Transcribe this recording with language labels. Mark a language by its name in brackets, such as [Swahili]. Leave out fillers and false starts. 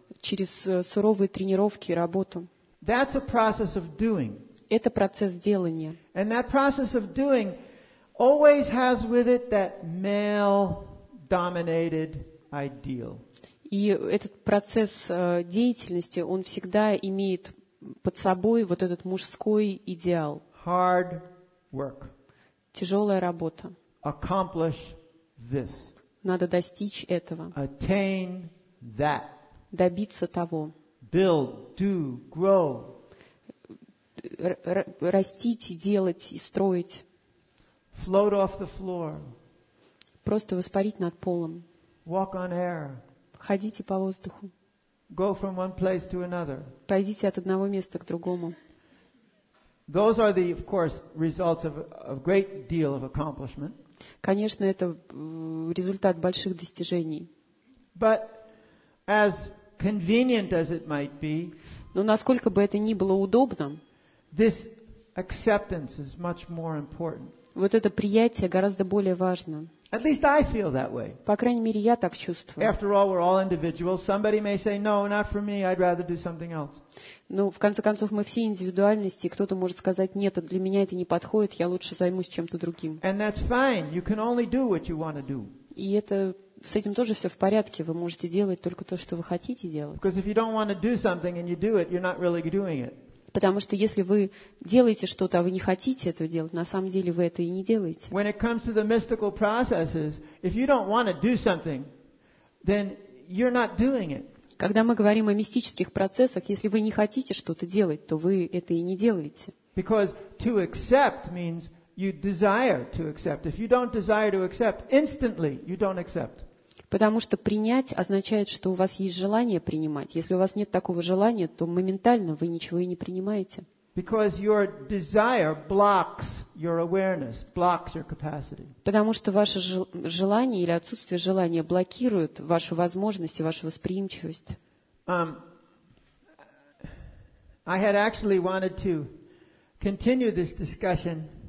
[Russian] Через суровые тренировки и работу. [English] That's a process of doing. [Russian] Это процесс делания. [English] And that process of doing always has with it that male-dominated ideal. [Russian] И этот процесс деятельности, он всегда имеет под собой вот этот мужской идеал. [English] Hard work. [Russian] Тяжелая работа. [English] Accomplish this. [Russian] Надо достичь этого. [English] Attain that. [Russian] Добиться того. [English] Build, do, grow. [Russian] Растить, делать и строить. [English] Float off the floor. [Russian] Просто воспарить над полом. [English] Walk on air. [Russian] Ходите по воздуху. [English] Go from one place to another. [Russian] Пойдите от одного места к другому. [English] Those are the, of course, results of a great deal of accomplishment. [Russian] Конечно, это результат больших достижений. [English] But as convenient as it might be, [Russian] но насколько бы это ни было удобно, [English] this acceptance is much more important. [Russian] Вот это приятие гораздо более важно. [English] At least I feel that way. [Russian] По крайней мере, я так чувствую. [English] After all, we're all individuals. Somebody may say, "No, not for me. I'd rather do something else." [Russian] Ну, в конце концов, мы все индивидуальности. Кто-то может сказать: "Нет, для меня это не подходит. Я лучше займусь чем-то другим." [English] And that's fine. You can only do what you want to do. [Russian] И это с этим тоже все в порядке. Вы можете делать только то, что вы хотите делать. [English] Because if you don't want to do something and you do it, you're not really doing it. [Russian] Потому что если вы делаете что-то, а вы не хотите этого делать, на самом деле вы это и не делаете. [English] When it comes to the mystical processes, if you don't want to do something, then you're not doing it. [Russian] Когда мы говорим о мистических процессах, если вы не хотите что-то делать, то вы это и не делаете. [English] Because to accept means you desire to accept. If you don't desire to accept, instantly you don't accept. [Russian] Потому что принять означает, что у вас есть желание принимать. Если у вас нет такого желания, то моментально вы ничего и не принимаете. [English] Because your desire blocks your awareness, blocks your capacity. [Russian] Потому что ваше желание или отсутствие желания блокирует вашу возможность и вашу восприимчивость. [English] I had actually wanted to continue this discussion.